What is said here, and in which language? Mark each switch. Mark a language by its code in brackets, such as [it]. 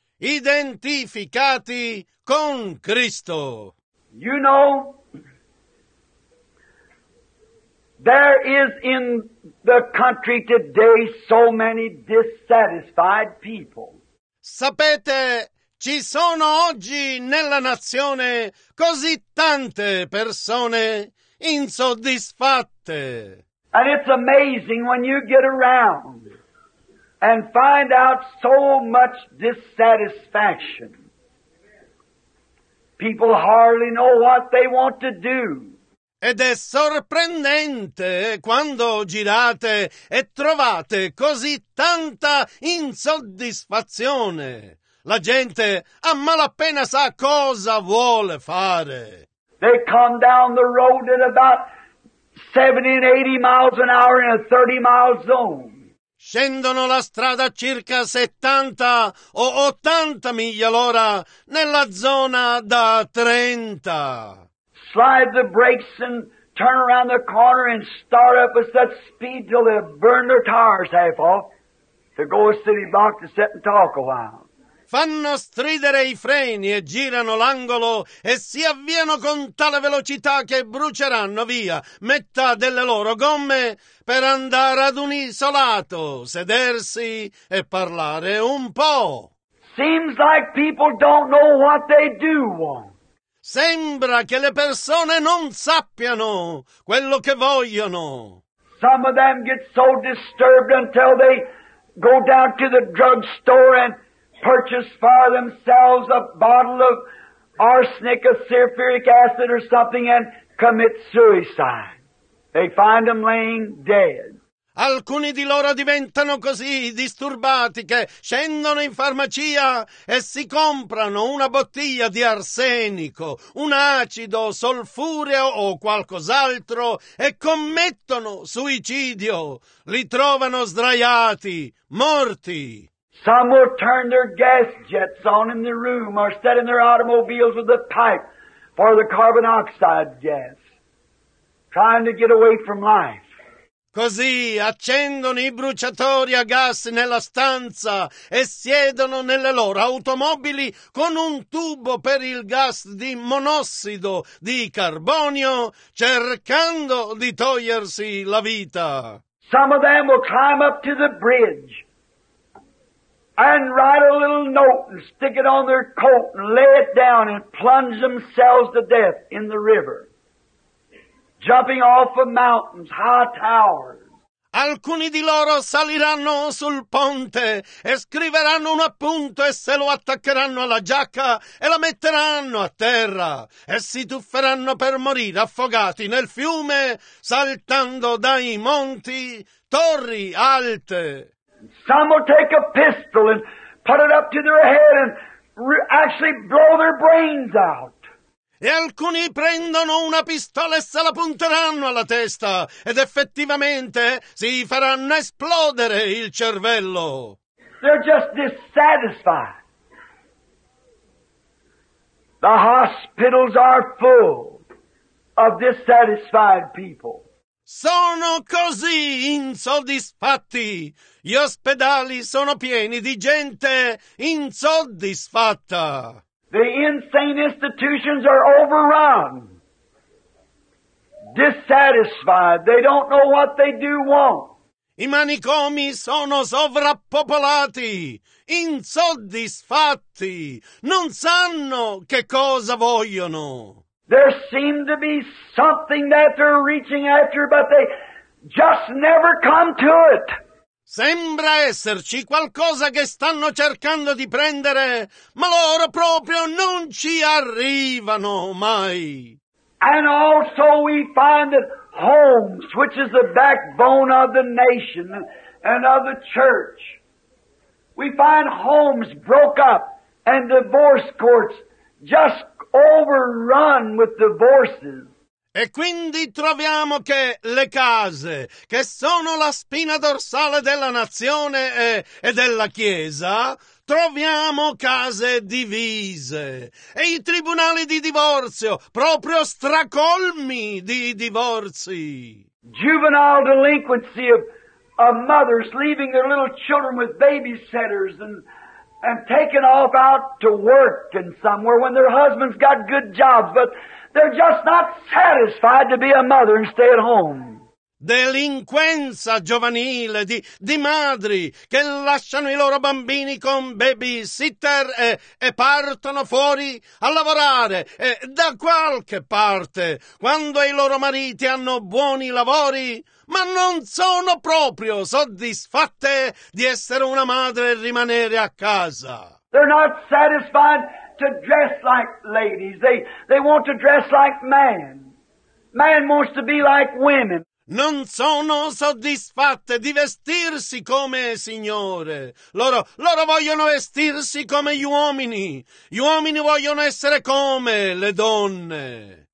[it] Identificati con Cristo. [en] You know, there is in the country today so many dissatisfied people. [it] Sapete, ci sono oggi nella nazione così tante persone insoddisfatte. [en] And it's amazing when you get around and find out so much dissatisfaction. People hardly know what they want to do. [it] Ed è sorprendente quando girate e trovate così tanta insoddisfazione. La gente a malapena sa cosa vuole fare. [en] They come down the road at about 70 and 80 miles an hour in a 30 mile zone. [it] Scendono la strada circa 70 o 80 miglia l'ora nella zona da 30. [en] Slide the brakes and turn around the corner and start up with such speed till they burn their tires half off to go a city block to sit and talk a while. [it] Fanno stridere i freni e girano l'angolo e si avviano con tale velocità che bruceranno via metà delle loro gomme per andare ad un isolato, sedersi e parlare un po'. [en] Seems like people don't know what they do want. [it] Sembra che le persone non sappiano quello che vogliono. [en] Some of them get so disturbed until they go down to the drugstore and purchase for themselves a bottle of arsenic, of sulfuric acid or something, and commit suicide. They find them laying dead. [it] Alcuni di loro diventano così disturbati che scendono in farmacia e si comprano una bottiglia di arsenico, un acido solfureo o qualcos'altro e commettono suicidio. Li trovano sdraiati, morti. [en] Some will turn their gas jets on in the room or set in their automobiles with a pipe for the carbon dioxide gas, trying to get away from life. [it] Così accendono i bruciatori a gas nella stanza e siedono nelle loro automobili con un tubo per il gas di monossido di carbonio, cercando di togliersi la vita. [en] Some of them will climb up to the bridge and write a little note and stick it on their coat and lay it down and plunge themselves to death in the river, jumping off of mountains, high towers. [it] Alcuni di loro saliranno sul ponte e scriveranno un appunto e se lo attaccheranno alla giacca e la metteranno a terra e si tufferanno per morire affogati nel fiume, saltando dai monti, torri alte. [en] Some will take a pistol and put it up to their head and actually blow their brains out. [it] E alcuni prendono una pistola e se la punteranno alla testa ed effettivamente si faranno esplodere il cervello. [en] They're just dissatisfied. The hospitals are full of dissatisfied people. [it] Sono così insoddisfatti. Gli ospedali sono pieni di gente insoddisfatta. [en] The insane institutions are overrun. Dissatisfied. They don't know what they do want. [it] I manicomi sono sovrappopolati, insoddisfatti. Non sanno che cosa vogliono. [en] There seem to be something that they're reaching after, but they just never come to it. [it] Sembra esserci qualcosa che stanno cercando di prendere, ma loro proprio non ci arrivano mai. [en] And also we find that homes, which is the backbone of the nation and of the church, we find homes broke up and divorce courts just overrun with divorces. [it] E quindi troviamo che le case, che sono la spina dorsale della nazione e della Chiesa, troviamo case divise. E i tribunali di divorzio, proprio stracolmi di divorzi. [en] Juvenile delinquency of mothers leaving their little children with babysitters and taken off out to work and somewhere when their husbands got good jobs, but they're just not satisfied to be a mother and stay at home. [it] delinquenza giovanile di madri che lasciano i loro bambini con babysitter e partono fuori a lavorare da qualche parte quando i loro mariti hanno buoni lavori, ma non sono proprio soddisfatte di essere una madre e rimanere a casa. [en] They're not satisfied to dress like ladies. They want to dress like men. Man wants to be like women. [it] Non sono soddisfatte di vestirsi come signore. Loro vogliono vestirsi come gli uomini. Gli uomini vogliono essere come le donne.